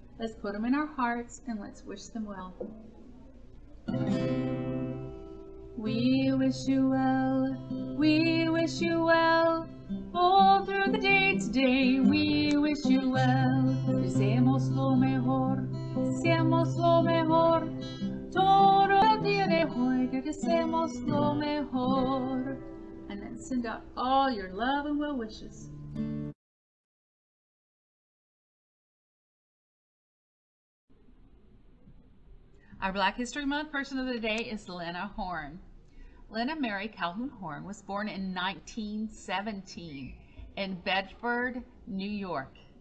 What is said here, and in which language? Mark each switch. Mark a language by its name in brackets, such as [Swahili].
[English] Let's put them in our hearts and let's wish them well. We wish you well, we wish you well. All through the day today, we wish you well. [Spanish] Deseamos lo mejor, deseamos lo mejor. Todo el día de hoy, deseamos lo mejor. [English] And then send out all your love and well wishes. Our Black History Month person of the day is Lena Horn. Lena Mary Calhoun Horn was born in 1917 in Bedford, New York.